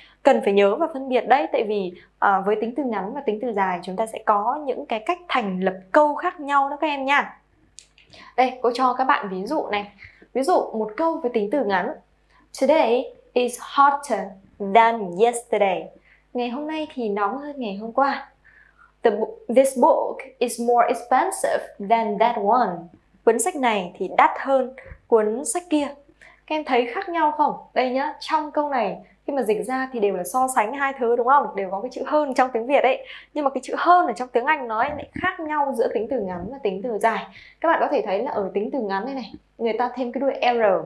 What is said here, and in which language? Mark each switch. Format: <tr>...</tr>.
<vi>Cần phải nhớ và phân biệt đấy. Tại vì với tính từ ngắn và tính từ dài chúng ta sẽ có những cái cách thành lập câu khác nhau đó các em nha. Đây, cô cho các bạn ví dụ này. Ví dụ một câu với tính từ ngắn.</vi> <en>Today is hotter than yesterday.</en> <vi>Ngày hôm nay thì nóng hơn ngày hôm qua.</vi> <en>This book is more expensive than that one.</en> <vi>Cuốn sách này thì đắt hơn cuốn sách kia. Các em thấy khác nhau không? Đây nhá, trong câu này khi mà dịch ra thì đều là so sánh hai thứ đúng không? Đều có cái chữ hơn trong tiếng Việt ấy. Nhưng mà cái chữ hơn ở trong tiếng Anh nó lại khác nhau giữa tính từ ngắn và tính từ dài. Các bạn có thể thấy là ở tính từ ngắn đây này, người ta thêm cái đuôi er.</vi>